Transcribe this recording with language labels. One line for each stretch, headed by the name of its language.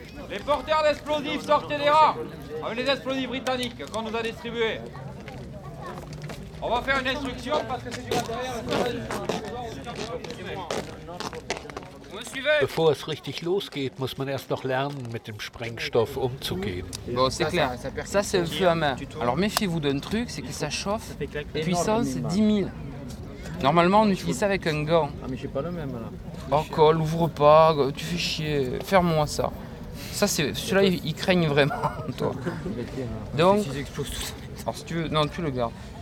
French: Les porteurs d'explosifs, sortez des rangs avec les explosifs britanniques qu'on nous a distribués. On va faire une instruction parce que c'est du matériel.
German: Bevor es richtig losgeht, muss man erst noch lernen, mit dem Sprengstoff umzugehen.
French: Bon, c'est clair. Ça, c'est un feu à main. Alors méfiez-vous d'un truc, c'est que ça chauffe. Puissance 10 000. Normalement, on utilise ça avec un gant. Ah, mais j'ai pas le même là. Oh, Cole, ouvre pas, tu fais chier. Ferme-moi ça. Ça, c'est celui-là, il craigne vraiment, toi. Donc, alors, si tu veux, non, tu le gardes.